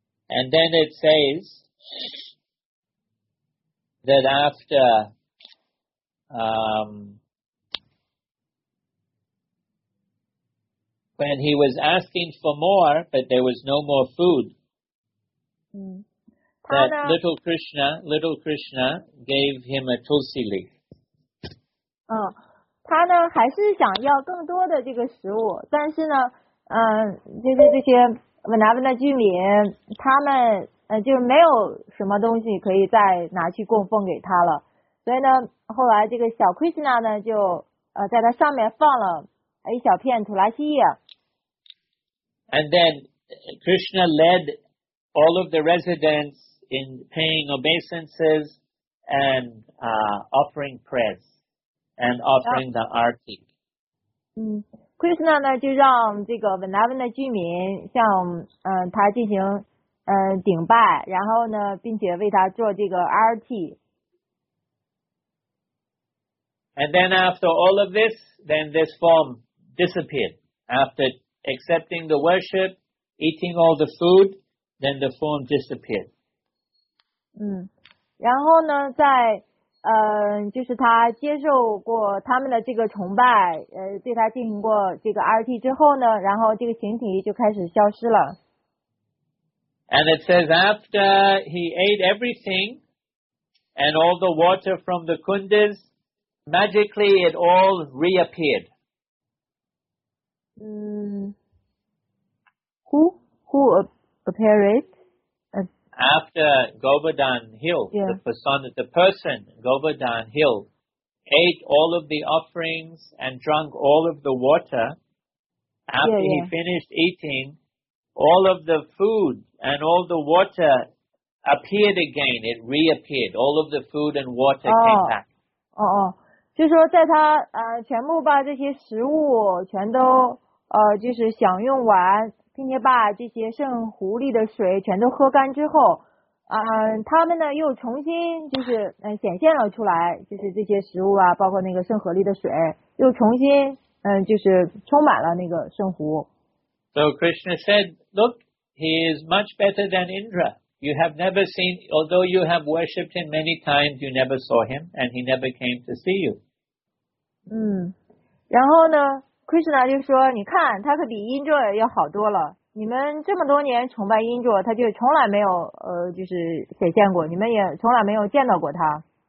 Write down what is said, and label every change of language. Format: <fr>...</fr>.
<en>And then it says that after when he was asking for more, but there was no more food, that little Krishna gave him a tulsi leaf.</en> <zh>他呢还是想要更多的这个食物，但是呢，就是这些。温达文的居民，他们就是没有什么东西可以再拿去供奉给他了，所以呢，后来这个小 Krishna 呢，就在他上面放了一小片土拉西叶。</zh> <en>And then Krishna led all of the residents in paying obeisances and offering prayers and offering the arti. 嗯。</en> <zh>Krishna 呢就让这个 Vrindavan 的居民向他进行顶拜，然后呢并且为他做这个 RT。</zh> <en>And then after all of this, then this form disappeared. After accepting the worship, eating all the food, then the form disappeared.</en> <zh>嗯，然后呢在就是他接受过他们的这个崇拜，对他进行过这个 RT 之后呢，然后这个形体就开始消失了。</zh> <en>And it says after he ate everything and all the water from the kundas, magically it all reappeared. Who appeared? After Govardhan Hill, the person Govardhan Hill ate all of the offerings and drank all of the water, after he finished eating, all of the food and all the water appeared again. It reappeared. All of the food and water came back.</en> <zh>就说在他全部把这些食物全都就是享用完。并且把这些圣狐狸的水全都喝干之后，他们呢又重新就是显现了出来，就是这些食物啊，包括那个圣狐狸的水，又重新就是充满了那个圣狐。</zh> <en>So Krishna said, "Look, he is much better than Indra. You have never seen, although you have worshipped him many times, you never saw him, and he never came to see you."</en> <zh>然后呢？ Krishna 就说你看他可比 Indra 要好多了，你们这么多年崇拜 Indra， 他就从来没有就是显现过，你们也从来没有见到过他。</zh>